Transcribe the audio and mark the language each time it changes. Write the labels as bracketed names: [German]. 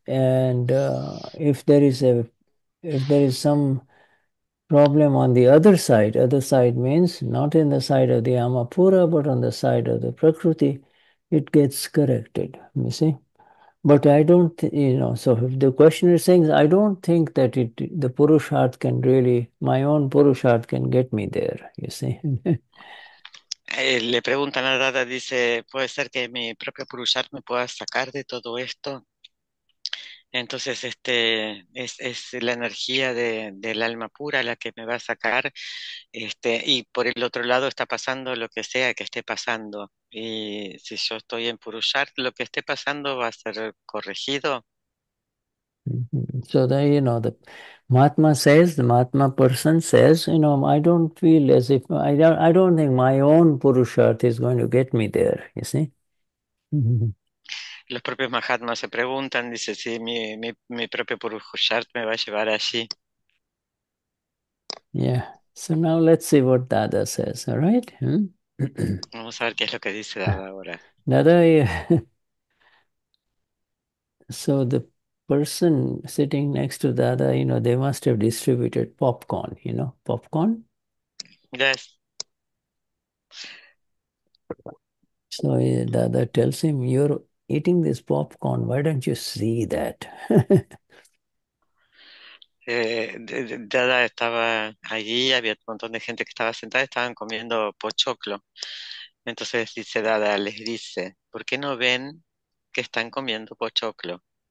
[English] And if there is some problem on the other side means not in the side of the Amapura, but on the side of the Prakriti, it gets corrected, you see. But I don't, so if the questioner is saying, I don't think that the Purushartha can really, my own Purushartha can get me there, you see. [Spanish] Le preguntan a Dada, dice, ¿puede ser que mi propio Purushartha me pueda sacar de todo esto? Entonces, es la energía del alma pura la que me va a sacar, y por el otro lado está pasando lo que sea que esté pasando. Y si yo estoy en Purushartha, lo que esté pasando va a ser corregido. [English] So the Mahatma says, the Mahatma person says, I don't feel as if I don't think my own Purushartha is going to get me there, you see. [Spanish] Los propios Mahatmas se preguntan, dice, si sí, mi propio Purushartha me va a llevar allí. [English] So now let's see what Dada says, all right? [Spanish] Vamos a ver qué es lo que dice Dada ahora. [English] Dada, so the person sitting next to Dada, they must have distributed popcorn, popcorn. Yes. So Dada tells him, you're eating this popcorn, why don't you see that? [Spanish] Dada estaba allí, había un montón de gente que estaba sentada, estaban comiendo pochoclo. Entonces dice Dada, les dice, ¿por qué no ven que están comiendo pochoclo?